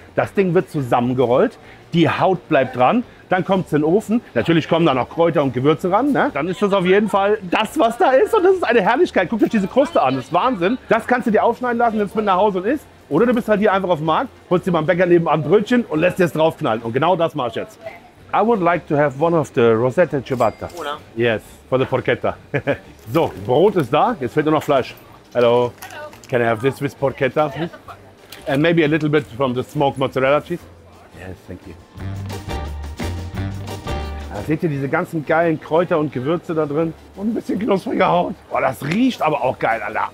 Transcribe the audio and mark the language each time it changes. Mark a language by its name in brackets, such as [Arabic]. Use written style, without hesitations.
[German] Das Ding wird zusammengerollt, die Haut bleibt dran, dann kommt es in den Ofen. Natürlich kommen da noch Kräuter und Gewürze ran. Ne? Dann ist das auf jeden Fall das, was da ist und das ist eine Herrlichkeit. Guckt euch diese Kruste an, das ist Wahnsinn. Das kannst du dir aufschneiden lassen, wenn es mit nach Hause und isst. Oder du bist halt hier einfach auf dem Markt, holst dir beim Bäcker nebenan Brötchen und lässt dir es draufknallen. Und genau das mache ich jetzt. [English] I would like to have one of the Rosette Ciabatta. [Italian] Una. [English] Yes, for the Porchetta. [German] So, Brot ist da, jetzt fehlt nur noch Fleisch. [English] Hello. Hello. Can I have this with Porchetta? Yes, and maybe a little bit from the smoked mozzarella cheese. Yes, thank you. [German] Da seht ihr diese ganzen geilen Kräuter und Gewürze da drin? Und ein bisschen knusprige Haut. Boah, das riecht aber auch geil, Alter.